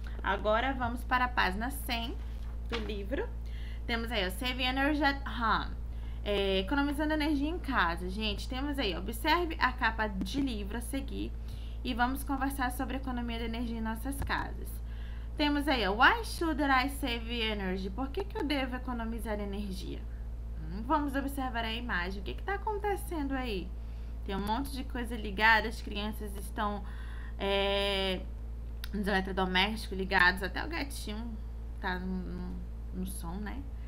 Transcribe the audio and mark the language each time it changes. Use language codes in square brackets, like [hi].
[pt] Agora vamos para a página 100 do livro. Temos aí o Save Energy at Home. Economizando energia em casa. Gente, temos aí, observe a capa de livro a seguir e vamos conversar sobre a economia de energia em nossas casas. [en] Temos aí, Why should I save energy? [pt] Por que que eu devo economizar energia? Vamos observar a imagem. O que que está acontecendo aí? Tem um monte de coisa ligada, as crianças estão. Nos eletrodomésticos ligados, até o gatinho tá no som, né?